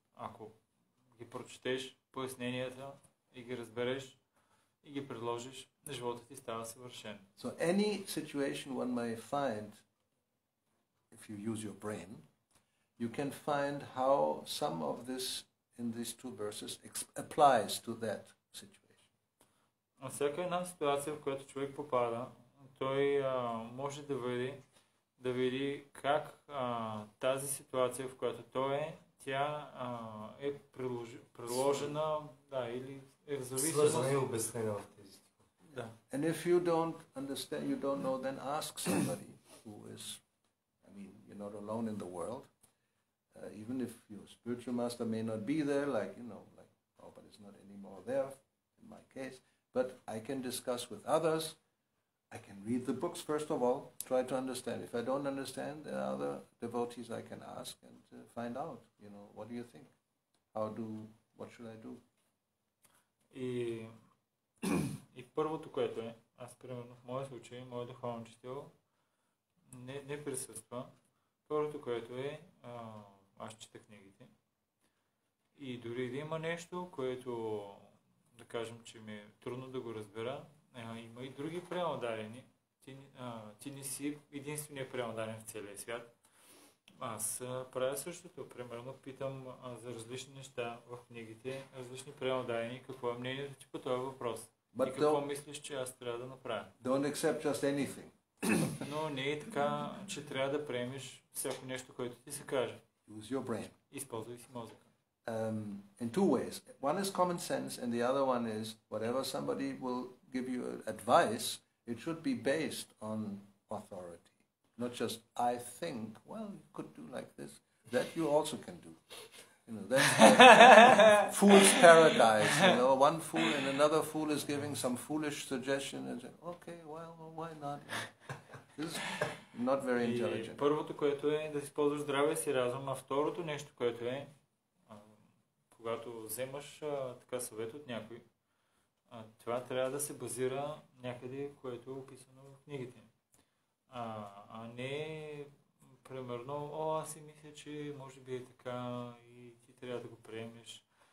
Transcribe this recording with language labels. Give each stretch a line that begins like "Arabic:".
Bulgarian: Ако ги прочетеш поясненията и ги разбереш и ги предложиш, животът ти става съвършен.
English: So any situation one may find, if you use your brain, you can find how some of this in these two verses applies to that situation.
Bulgarian: На всяка една ситуация, в която човек попада, той може да види как тази ситуация, в която той е, тя е приложена, да, или е в зависимост. Сложна и обяснена в тези да.
English: And if you don't understand, you don't know, then ask somebody who is, I mean, you're not alone in the world. Even if your spiritual master may not be there, like, you know, like, oh, but it's not anymore there, in my case. But I can discuss with others. I can read the books, first of all, try to understand. If I don't understand, there are other devotees I can ask and find out, you know, what do you think? What should I do?
Bulgarian: И първото, което е, аз, примерно, в моя случай, моя духовен учител не присъства. Първото, което е, аз чета книгите. И дори да има нещо, което, да кажем, че ми е трудно да го разбера, има и други преодарени. Ти не си единственият преодарен в целия свят. Аз правя същото. Примерно питам за различни неща в книгите, различни преодарени, какво е мнението ти по този въпрос.
English: But
Bulgarian: и какво мислиш, че аз трябва да направя.
English: Don't accept just anything.
Bulgarian: Но не е така, че трябва да приемеш всяко нещо, което ти се каже.
English: Use your brain.
Bulgarian: Използвай си мозъка.
English: In two ways. One is common sense and the other one is whatever somebody will give you advice, it should be based on authority. Not just I think, well, you could do like this. That you also can do. You know, that's like fool's paradise. You know, one fool and another fool is giving some foolish suggestion and say, okay, well, why not? This is not very intelligent.
Bulgarian: Първото, което е да използваш здравия си разум, а второто нещо, което е когато вземаш така съвет от някой, това трябва да се базира някъде, което е описано в книгите. А не примерно, о, аз си мисля, че може би е така и ти трябва да го приемеш.